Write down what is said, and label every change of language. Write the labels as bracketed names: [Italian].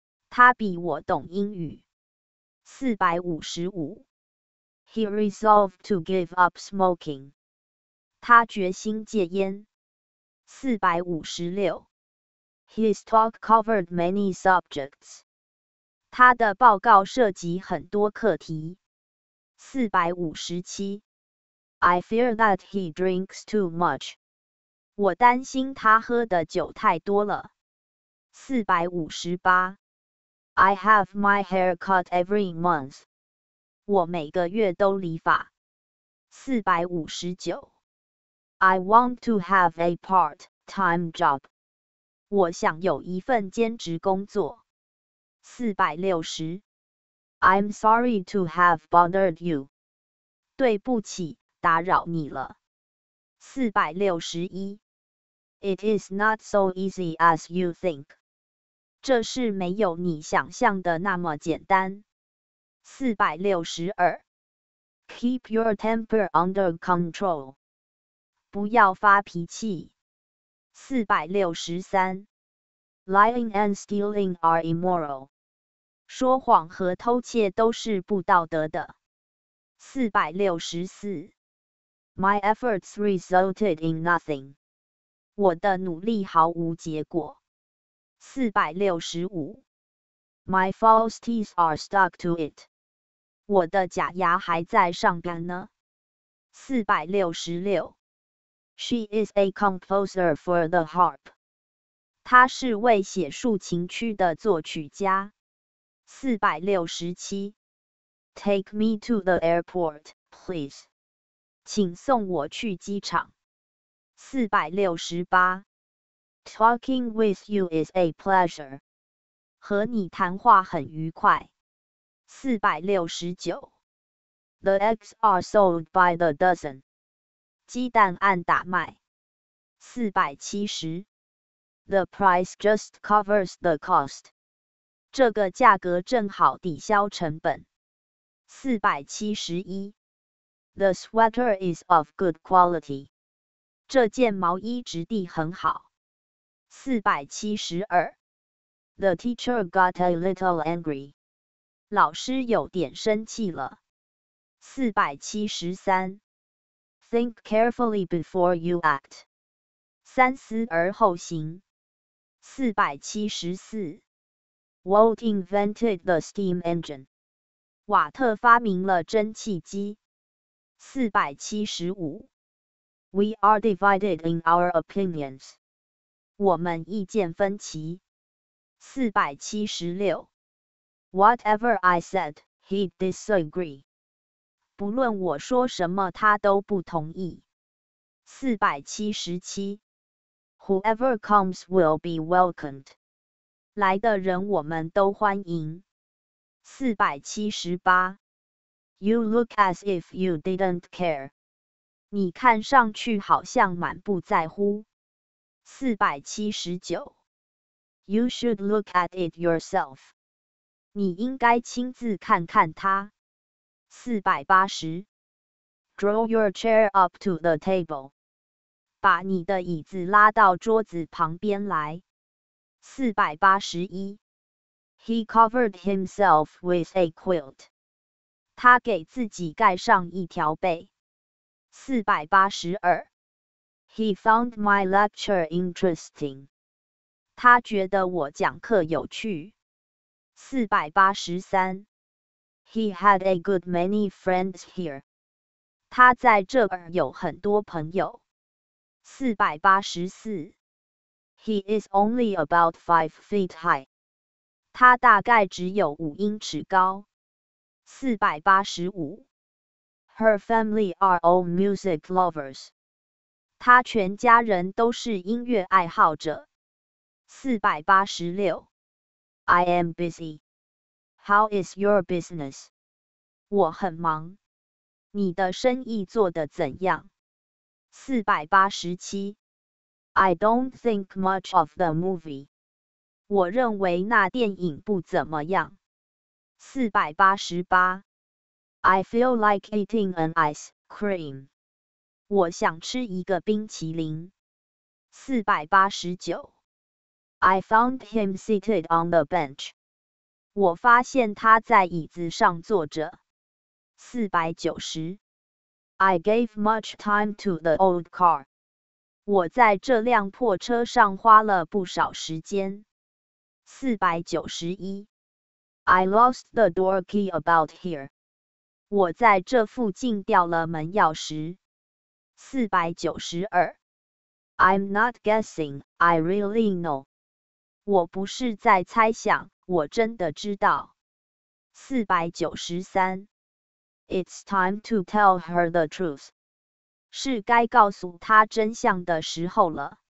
[Chinese] 他比我懂英语。455 [English] He resolved to give up smoking. [Chinese] 他决心戒烟。456 [English] His talk covered many subjects. [Chinese] 他的报告涉及很多课题。 457 [English] I fear that he drinks too much. [Chinese] 我担心他喝的酒太多了。458 [English] I have my hair cut every month. [Chinese] 我每个月都理发。459. [English] I want to have a part-time job. [Chinese] 我想有一份兼职工作。460. [English] I'm sorry to have bothered you. [Chinese] 对不起，打扰你了。461. [English] It is not so easy as you think. [Chinese] 这事没有你想象的那么简单。 462. [English] Keep your temper under control. [Chinese] 不要发脾气。463. [English] Lying and stealing are immoral. [Chinese] 说谎和偷窃都是不道德的。 464. [English] My efforts resulted in nothing. [Chinese] 我的努力毫无结果。465. [English] My false teeth are stuck to it. [Chinese] 我的假牙还在上边呢。466. [English] She is a composer for the harp. [Chinese] 她是为写竖琴曲的作曲家。 467. [English] Take me to the airport, please. [Chinese] 请送我去机场。468. [English] Talking with you is a pleasure. [Chinese] 和你谈话很愉快。469. [English] The eggs are sold by the dozen. [Chinese] 鸡蛋按打卖。470. [English] The price just covers the cost. [Chinese] 这个价格正好抵消成本。 471. [English] The sweater is of good quality. [Chinese] 这件毛衣质地很好。472. [English] The teacher got a little angry. [Chinese] 老师有点生气了。473. [English] Think carefully before you act. [Chinese] 三思而后行。474. [English] Walt invented the steam engine. [Chinese] 瓦特发明了蒸汽机。475. [English] We are divided in our opinions. [Chinese] 我们意见分歧。476. [English] Whatever I said, he disagreed. [Chinese] 不论我说什么他都不同意。 477. [English] Whoever comes will be welcomed. [Chinese] 来的人我们都欢迎。478. [English] You look as if you didn't care. [Chinese] 你看上去好像满不在乎。 479. [English] You should look at it yourself. [Chinese] 你应该亲自看看它。480. [English] Draw your chair up to the table. [Chinese] 把你的椅子拉到桌子旁边来。 481. [English] He covered himself with a quilt. [Chinese] 他给自己盖上一条被。482. [English] He found my lecture interesting. [Chinese] 他觉得我讲课有趣。483. [English] He had a good many friends here. [Chinese] 他在这儿有很多朋友。484. [English] He is only about 5 feet high. [Chinese] 他大概只有5英尺高。485. [English] Her family are all music lovers. [Chinese] 他全家人都是音乐爱好者。 486. [English] I am busy. How is your business? [Chinese] 我很忙。你的生意做得怎样？ 487. [English] I don't think much of the movie. [Chinese] 我认为那电影不怎么样。 488. [English] I feel like eating an ice cream. [Chinese] 我想吃一个冰淇淋。489. [English] I found him seated on the bench. [Chinese] 我发现他在椅子上坐着。 490. [English] I gave much time to the old car. [Chinese] 我在这辆破车上花了不少时间。 491. [English] I lost the door key about here. [Chinese] 我在这附近掉了门钥匙。 492. [English] I'm not guessing, I really know. [Chinese] 我不是在猜想，我真的知道。 493 [English] It's time to tell her the truth. [Chinese] 是该告诉她真相的时候了。